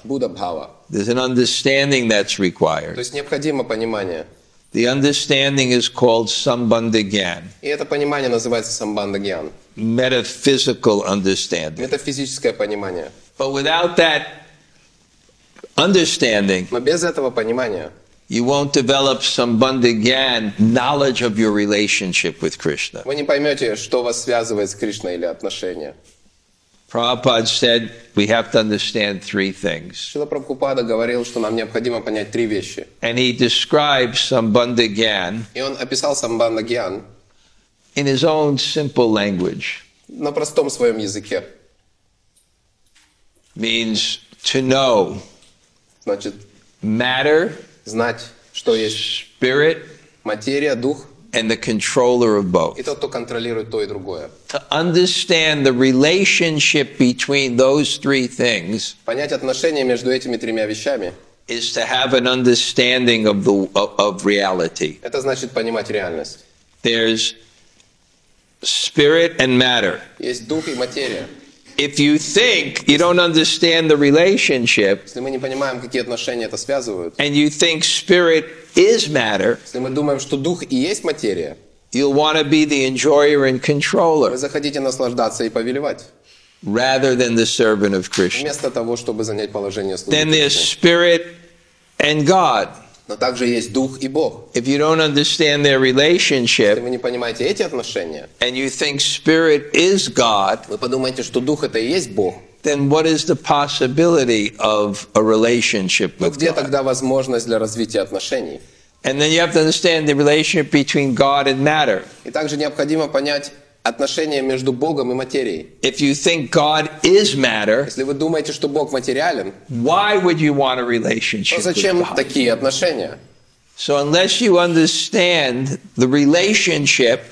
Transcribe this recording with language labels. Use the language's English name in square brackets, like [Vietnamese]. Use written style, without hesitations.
[Sanskrit] Buddha bhava. [English] There's an understanding that's required. [Russian] То есть необходимо понимание. [English] The understanding is called sambandha gyan. [Russian] И это понимание называется sambandha gyan. [English] Metaphysical understanding. [Russian] Метафизическое понимание. [English] But without that. Understanding. [Russian] Но без этого понимания. [English] You won't develop some bandhagyan knowledge of your relationship with Krishna. [Russian] Вы не поймете, что вас связывает с Кришной или отношения. [English] Prabhupada said we have to understand three things. [Russian] Шрила Прабхупада говорил, что нам необходимо понять три вещи. [English] And he described some bandhagyan. [Russian] И он описал some bandhagyan. [English] In his own simple language. [Russian] На простом своем языке. [English] Means to know. [Russian] Значит, [English] matter, [Russian] знать, что есть [English] spirit, [Russian] материя, дух, [English] and the controller of both. [Russian] И тот, кто контролирует то и другое. [English] To understand the relationship between those three things. [Russian] Понять отношения между этими тремя вещами. [English] Is to have an understanding of the of reality. [Russian] Это значит понимать реальность. [English] There's spirit and matter. [Russian] Есть дух и материя. [English] If you think you don't understand the relationship, [Russian] если мы не понимаем, какие отношения это связывают, [English] and you think spirit is matter, [Russian] если мы думаем, что дух и есть материя, [English] you'll want to be the enjoyer and controller, [Russian] вы захотите наслаждаться и повелевать, [English] rather than the servant of Krishna, [Russian] вместо того, чтобы занять положение слуги. [English] Then there's spirit and God. [Russian] Но также есть дух и Бог. [English] If you don't understand their relationship, [Russian] если вы не понимаете эти отношения, [English] and you think spirit is God, [Russian] вы подумаете, что дух это и есть Бог, [English] then what is the possibility of a relationship with God? [Russian] Где тогда возможность для развития отношений? [English] And then you have to understand the relationship between God and matter. [Russian] И также необходимо понять отношения между Богом и материей. [English] If you think God is matter, [Russian] если вы думаете, что Бог материален, [English] why would you want a relationship? [Russian] То зачем такие отношения? [English] So unless you understand the relationship,